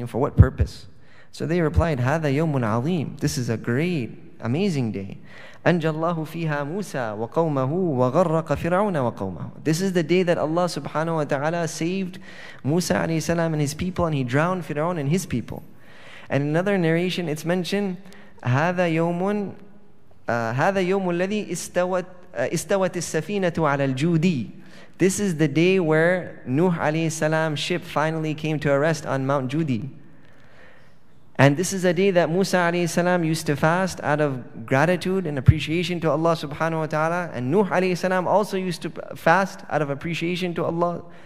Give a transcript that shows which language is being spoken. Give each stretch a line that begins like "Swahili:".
English: And for what purpose? So they replied,
Arabic: هَذَا يَوْمٌ عَظِيمٌ.
English: This is a great, amazing day.
Arabic: أَنْجَلَّهُ فِيهَا مُوسَى وَقَوْمَهُ وَغَرَّقَ فِرْعَوْنَ وَقَوْمَهُ.
English: This is the day that Allah subhanahu wa ta'ala saved Musa alayhi salam and his people, and he drowned Fir'aun and his people. And in another narration, it's mentioned,
Arabic: هذا يوم الذي استوت السفينة على الجودي.
English: This is the day where Nuh alayhi salam's ship finally came to rest on Mount Judi. And this is a day that Musa alayhi salam used to fast out of gratitude and appreciation to Allah subhanahu wa ta'ala. And Nuh alayhi salam also used to fast out of appreciation to Allah.